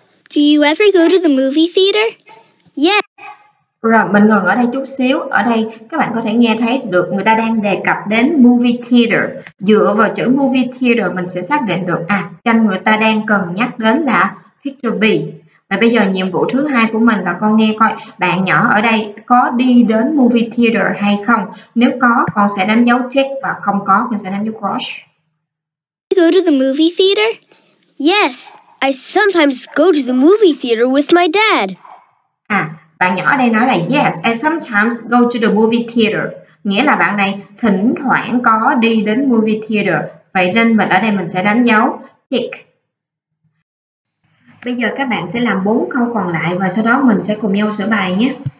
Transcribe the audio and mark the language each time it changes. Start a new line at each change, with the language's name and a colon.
English: Do you ever go to the movie theater? Yes.
Vietnamese: Rồi, mình ngừng ở đây chút xíu. Ở đây các bạn có thể nghe thấy được người ta đang đề cập đến movie theater. Dựa vào chữ movie theater mình sẽ xác định được à, tranh người ta đang cần nhắc đến là picture B. Và bây giờ nhiệm vụ thứ hai của mình là con nghe coi bạn nhỏ ở đây có đi đến movie theater hay không. Nếu có, con sẽ đánh dấu tick và không có, mình sẽ đánh dấu cross.
English: Go to the movie theater? Yes, I sometimes go to the movie theater with my dad.
Vietnamese: À, bạn nhỏ ở đây nói là
English: yes, I sometimes go to the movie theater.
Vietnamese: Nghĩa là bạn này thỉnh thoảng có đi đến movie theater. Vậy nên mình ở đây mình sẽ đánh dấu tick. Bây giờ các bạn sẽ làm 4 câu còn lại và sau đó mình sẽ cùng nhau sửa bài nhé.